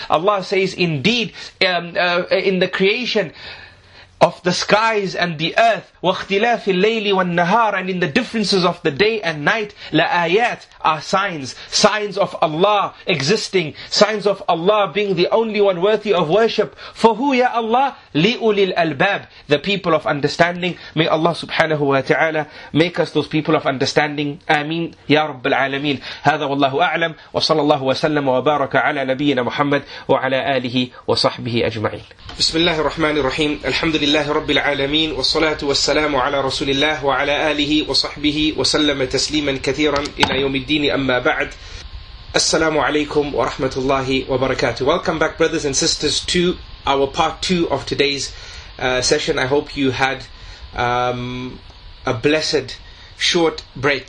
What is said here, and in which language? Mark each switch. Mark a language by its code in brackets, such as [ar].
[en] Allah says, indeed, in the creation of the skies and the earth, [ar] وَاخْتِلَافِ اللَّيْلِ وَالنَّهَارِ, [en] and in the differences of the day and night, لَآيَاتِ, are signs of Allah existing, signs of Allah being the only one worthy of worship. For who, ya Allah? [ar] لِأُولِي الْأَلْبَابِ, [en] the people of understanding. May Allah subhanahu wa ta'ala make us those people of understanding. Ameen. Ya Rabbil Alameen. [ar] هذا والله أعلم, وصلى الله وسلم وبارك على نبينا محمد وعلى آله وصحبه أجمعين. بسم الله الرحمن الرحيم. الحمد لله رب العالمين, والصلاة والسلام على رسول الله وعلى آله وصحبه وسلم تسليما كثيرا إلى يوم الدين. أما بعد, السلام عليكم ورحمة الله وبركاته. [en] Welcome back, brothers and sisters, to our part two of today's session. I hope you had a blessed short break.